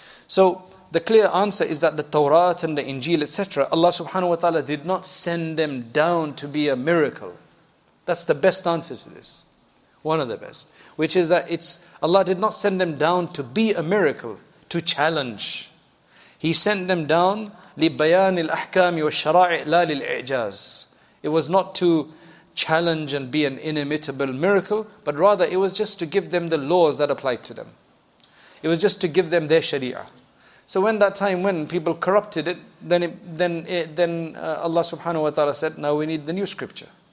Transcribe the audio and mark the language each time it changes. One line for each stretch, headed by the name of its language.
English: So the clear answer is that the Tawrat and the Injil, etc., Allah subhanahu wa ta'ala did not send them down to be a miracle. That's the best answer to this. One of the best. Which is that Allah did not send them down to be a miracle, to challenge. He sent them down
Arabic: لِبَيَانِ الْأَحْكَامِ وَالشَّرَاعِ لَا لِلْإِعْجَازِ.
English: It was not to challenge and be an inimitable miracle, but rather it was just to give them the laws that applied to them. It was just to give them their sharia. So when that time, when people corrupted it, then Allah subhanahu wa ta'ala said, now we need the new scripture.